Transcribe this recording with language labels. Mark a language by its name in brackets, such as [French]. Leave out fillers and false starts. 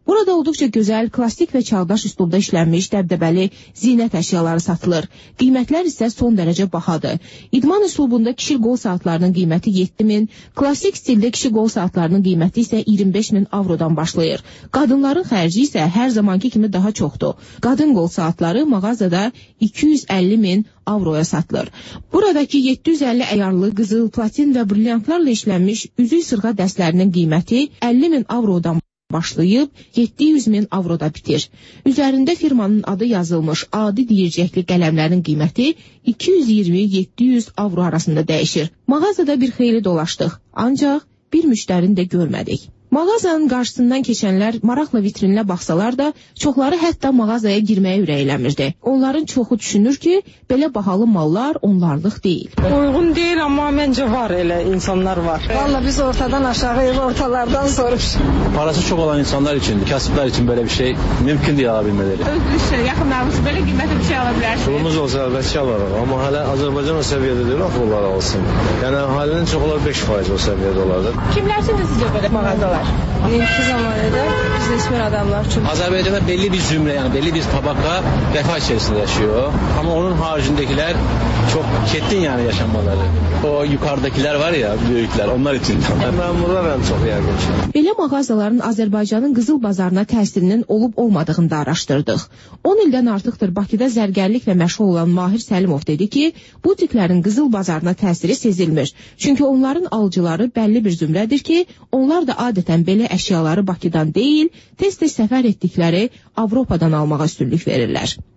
[Azerbaijani] Burada olduqca gözəl, klassik və çağdaş üslubda işlənmiş dəbdəbəli zinət əşyaları satılır. Qiymətlər isə son dərəcə bahadır. İdman üslubunda kişi qol saatlarının qiyməti 7000, klassik stildə kişi qol saatlarının qiyməti isə 25000 avrodan başlayır. Qadınların xərci isə hər zamanki kimi daha çoxdur. Qadın qol saatları mağazada 250000 avroya satılır. Buradakı 750 əyarlı qızıl, platin və brilliantlarla işlənmiş üzük sırğa dəstlərinin qiyməti 50000 avrodan başlayıb 700000 avroda bitir. Üzərində firmanın adı yazılmış adi deyircəkli qələmlərin qiyməti 220-700 avro arasında dəyişir. Mağazada bir xeyli dolaşdıq, ancaq bir müştərini də görmədik. Mağazanın qarşısından keçənlər maraqla vitrininə baxsalar da, çoxları hətta mağazaya girməyə ürəkləmirdi. Onların çoxu düşünür ki, belə bahalı mallar onlarlıq deyil. Uyğun deyil, amma məncə var elə insanlar var. Valla biz ortadan aşağıya, ortalardan soruşuruz. Parası çox olan insanlar üçün, kasıblar üçün belə bir şey mümkün deyə ala bilmələri. Öz düşünür, yaxın namusu belə qiymətli bir şey ala bilərsiniz. Pulumuz olsa əlbəttə alarıq, amma hələ Azərbaycan o səviyyədə deyil, axı onlar alsın. Yəni əhalinin çoxları 5% o səviyyədə olardı. Kimlərsiniz sizcə belə mağazada? Deyinki zamanda biznesmen adamlar üçün. Azərbaycanda belli bir zümrə, yəni belli bir tabaka vəfa içərisində yaşıyor. Amma onun haricindəkilər çox çetin yani yaşamaları. [Turkish] O yukarıdakilər var ya, büyüklər, onlar için. Memurlar en çok yer geçiyor. [Azerbaijani] Belə mağazaların Azərbaycanın qızıl bazarına təsirinin olub-olmadığını da araşdırdıq. 10 ildən artıqdır Bakıda zərgərliklə məşğul olan Mahir Səlimov dedi ki, bu tiklərin qızıl bazarına təsiri sezilmir. Çünki onların alıcıları bəlli bir zümrədir ki, onlar da adətən belə əşyaları Bakıdan deyil, tez-tez səfər etdikləri Avropadan almağa üstünlük verirlər.